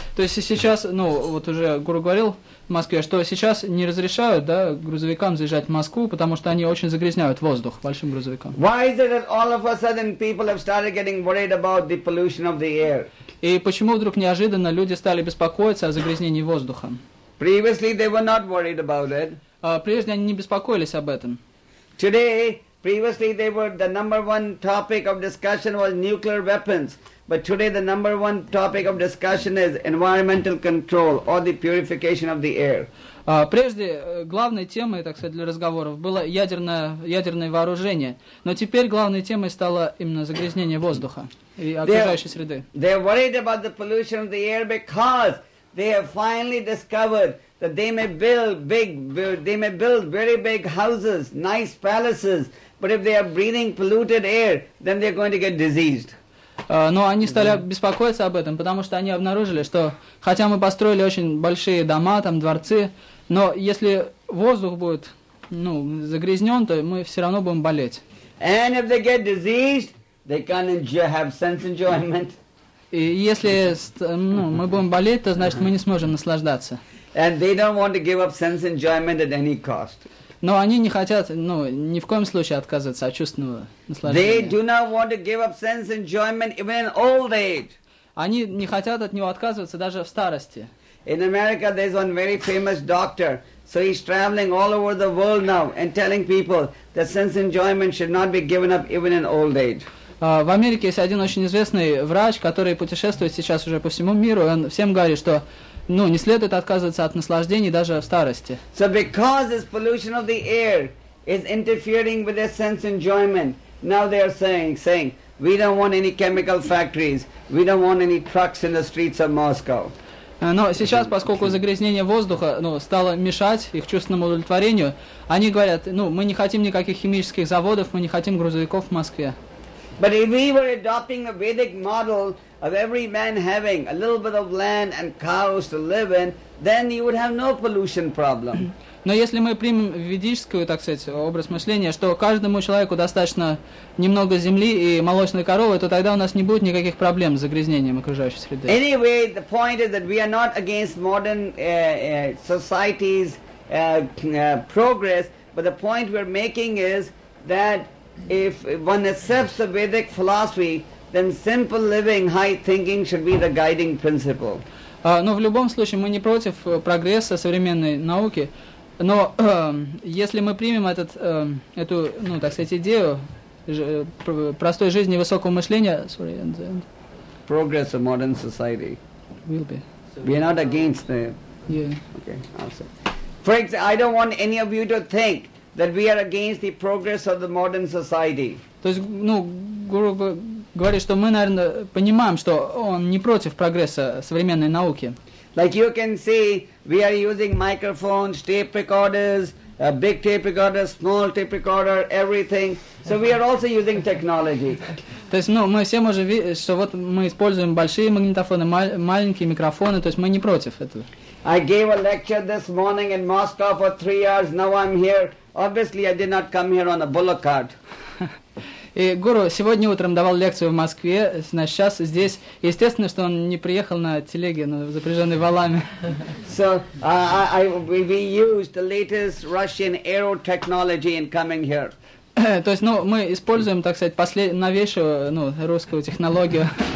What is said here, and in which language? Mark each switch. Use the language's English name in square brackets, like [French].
[Russian] То есть сейчас, ну, вот уже Гуру говорил в Москве, что сейчас не разрешают, да, грузовикам заезжать в Москву, потому что они очень загрязняют воздух большим грузовикам. [English] Why is it that all of a sudden people have started getting worried about the pollution of the air? [Russian] И почему вдруг неожиданно люди стали беспокоиться о загрязнении воздуха? [English] Previously they were not worried about it. [Russian] Прежде они не беспокоились об этом. [English] Today, previously they were the number one topic of discussion was nuclear weapons. But today the number one topic of discussion is environmental control or the purification of the air. [Russian] Прежде главной темой, так сказать, для разговоров было ядерное вооружение. Но теперь главной темой стало именно загрязнение воздуха и окружающей среды. [English] They are worried about the pollution of the air because they have finally discovered that they may build very big houses, nice palaces, but if they are breathing polluted air, then they are going to get diseased. [Russian] Но они стали беспокоиться об этом, потому что они обнаружили, что хотя мы построили очень большие дома, там дворцы, но если воздух будет, ну, загрязнен, то мы все равно будем болеть. [English] And if they get diseased, they can't enjoy, have sense enjoyment. [Russian] И если, ну, мы будем болеть, то значит мы не сможем наслаждаться. [English] And they don't want to give up sense enjoyment at any cost. [Russian] Но они не хотят, ну, ни в коем случае отказываться от чувственного наслаждения. [English] They do not want to give up sense enjoyment even in old age. [Russian] Они не хотят от него отказываться даже в старости. [English] In America there's one very famous doctor. So he's traveling all over the world now and telling people that sense enjoyment should not be given up even in old age. [Russian] В Америке есть один очень известный врач, который путешествует сейчас уже по всему миру, и он всем говорит, что ну, не следует отказываться от наслаждений даже в старости. [English] So because this pollution of the air is interfering with their sense enjoyment, now they are saying, we don't want any chemical factories, we don't want any trucks in the streets of Moscow. [Russian] Но сейчас, поскольку загрязнение воздуха ну, стало мешать их чувственному удовлетворению, они говорят, ну, мы не хотим никаких химических заводов, мы не хотим грузовиков в Москве. [English] But if we were adopting the Vedic model of every man having a little bit of land and cows to live in, then you would have no pollution problem. [Russian] Но если мы примем ведическую, так сказать, образ мышления, что каждому человеку достаточно немного земли и молочной коровы, то тогда у нас не будет никаких проблем с загрязнением окружающей среды. [English] Anyway, the point is that we are not against modern society's progress, but the point we're making is that if one accepts the Vedic philosophy, then simple living, high thinking should be the guiding principle. [Russian] Но в любом случае мы не против прогресса современной науки, но если мы примем этот, эту, ну, так сказать, идею простой жизни высокого мышления, [English] progress of modern society will be. We are not against the. Yeah. Okay. Awesome. For example, I don't want any of you to think that we are against the progress of the modern society. [Russian] То есть, ну, Гуру говорит, что мы, наверное, понимаем, что он не против прогресса современной науки. [English] Like you can see, we are using microphones, tape recorders, big tape recorder, small tape recorder, everything. So we are also using technology. [Russian] То есть, ну, мы все можем видеть, что вот мы используем большие магнитофоны, маленькие микрофоны, то есть мы не против этого. [English] I gave a lecture this morning in Moscow for 3 hours, now I'm here. Obviously, I did not come here on a bullock cart. [Russian] И Гуру сегодня утром давал лекцию в Москве, значит, сейчас здесь. Естественно, что он не приехал на телеге, на запряженной валами. [English] So, we used the latest Russian aero technology in coming here. [Russian] То есть, ну, мы используем, так сказать, новейшую, ну, русскую технологию.